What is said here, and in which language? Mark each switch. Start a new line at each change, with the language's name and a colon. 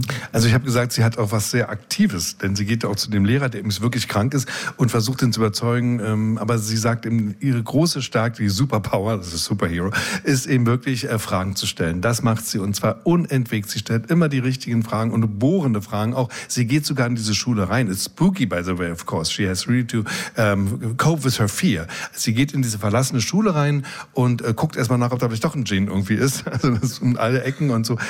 German: Also ich habe gesagt, sie hat auch was sehr Aktives, denn sie geht auch zu dem Lehrer, der eben wirklich krank ist und versucht ihn zu überzeugen, aber sie sagt eben, ihre große Stärke, die Superpower, das ist Superhero, ist eben wirklich Fragen zu stellen. Das macht sie und zwar unentwegt. Sie stellt immer die richtigen Fragen und bohrende Fragen auch. Sie geht sogar in diese Schule rein.
English: It's spooky by the way, of course. She has really to cope with her fear.
German: Sie geht in diese verlassene Schule rein und guckt erstmal nach, ob da vielleicht doch ein Jean irgendwie ist. Also das ist um alle Ecken und so.